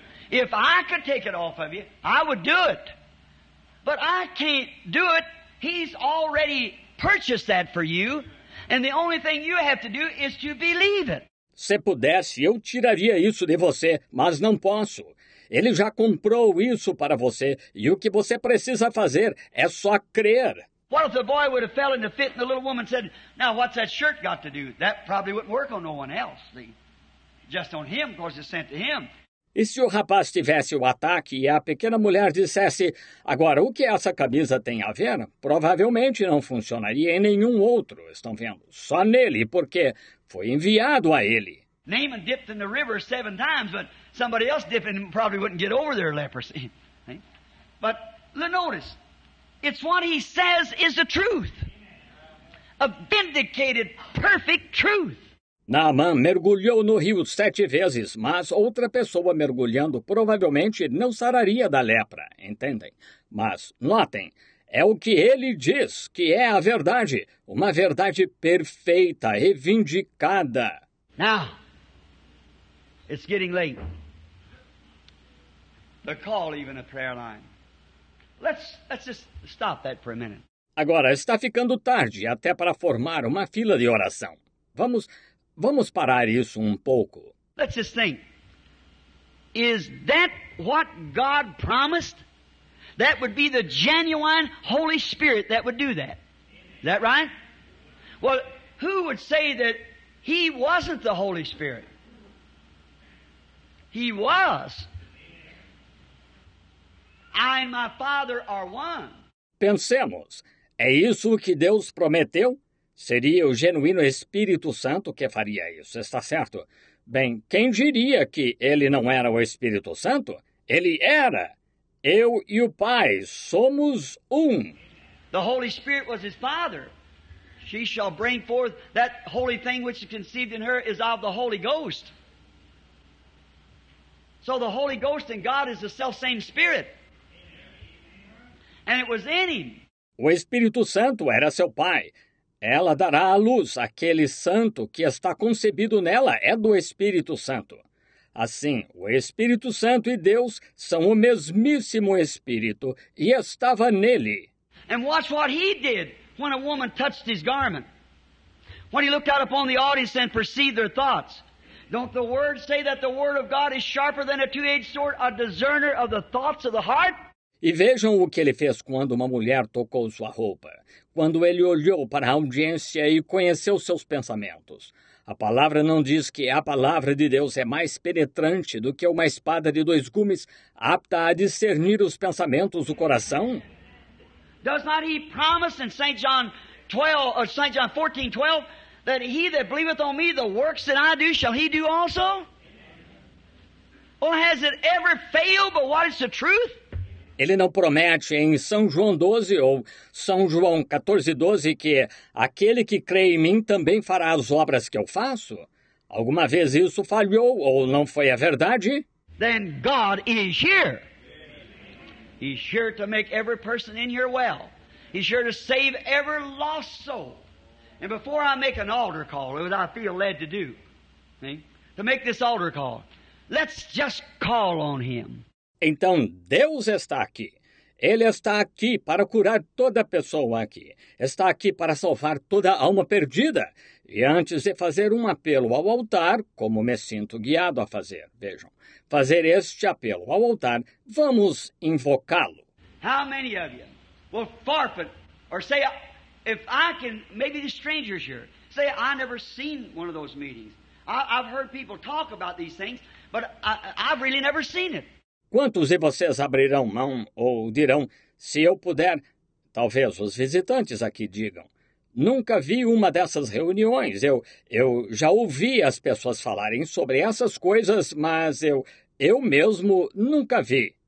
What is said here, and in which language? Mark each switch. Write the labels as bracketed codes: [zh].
[en] If I could take it off of you, I would do it. But I can't do it. He's already purchased that for you, and the only thing you have to do is to believe it. [pt] Se pudesse, eu tiraria isso de você, mas não posso. Ele já comprou isso para você, e o que você precisa fazer é só crer. [en] What if the boy would have fell in the fit and the little woman said, now what's that shirt got to do? That probably wouldn't work on no one else. See? Just on him, because it's sent to him. [pt] E se o rapaz tivesse o ataque e a pequena mulher dissesse, agora, o que essa camisa tem a ver? Provavelmente não funcionaria em nenhum outro, estão vendo? Só nele, porque foi enviado a ele. [en] Naaman dipped in the river 7 times, but somebody else dipping probably wouldn't get over their leprosy. But notice, it's what he says is the truth. A vindicated, perfect truth. [pt] Naamã mergulhou no rio 7 vezes, mas outra pessoa mergulhando provavelmente não sararia da lepra, entendem? Mas, notem, é o que ele diz, que é a verdade, uma verdade perfeita, reivindicada. [en] Now, it's getting late. The call even a prayer line. Let's just stop that for a minute. [pt] Agora, está ficando tarde, até para formar uma fila de oração. Vamos parar isso um pouco. [en] Let's just think. Is that what God promised? That would be the genuine Holy Spirit that would do that. Is that right? Well, who would say that he wasn't the Holy Spirit? He was. I and my Father are one. [pt] Pensemos. É isso que Deus prometeu? Seria o genuíno Espírito Santo que faria isso, está certo? Bem, quem diria que ele não era o Espírito Santo? Ele era. Eu e o Pai somos um. [en] The Holy Spirit was his Father. She shall bring forth that holy thing which is conceived in her is of the Holy Ghost. So the Holy Ghost and God is the self-same Spirit. And it was in him. [pt] O Espírito Santo era seu pai. Ela dará à luz aquele santo que está concebido nela, é do Espírito Santo. Assim, o Espírito Santo e Deus são o mesmíssimo Espírito, e estava nele. [en] And watch what he did when a woman touched his garment. When he looked out upon the audience and perceived their thoughts. Don't the word say that the word of God is sharper than a two-edged sword, a discerner of the thoughts of the heart? [pt] E vejam o que ele fez quando uma mulher tocou sua roupa, quando ele olhou para a audiência e conheceu seus pensamentos. A palavra não diz que a palavra de Deus é mais penetrante do que uma espada de dois gumes apta a discernir os pensamentos do coração? [en] Does not he promise in St. John 12, St. John 14, 12, that he that believeth on me, the works that I do, shall he do also? Or has it ever failed but what is the truth? [pt] Ele não promete em São João 12 ou São João 14, 12 que aquele que crê em mim também fará as obras que eu faço? Alguma vez isso falhou ou não foi a verdade? [en] Then God is here. He's here to make every person in here well. He's here to save every lost soul. And before I make an altar call, as I feel led to do, to make this altar call, let's just call on him. [pt] Então, Deus está aqui. Ele está aqui para curar toda pessoa aqui. Está aqui para salvar toda alma perdida. E antes de fazer um apelo ao altar, como me sinto guiado a fazer, vejam, fazer este apelo ao altar, vamos invocá-lo. [en] How many of you will forfeit or say, if I can, maybe the strangers here, say, I've never seen one of those meetings. I've heard people talk about these things, but I've really never seen it. [pt] Quantos de vocês abrirão mão ou dirão, se eu puder, talvez os visitantes aqui digam, nunca vi uma dessas reuniões, eu já ouvi as pessoas falarem sobre essas coisas, mas eu mesmo nunca vi.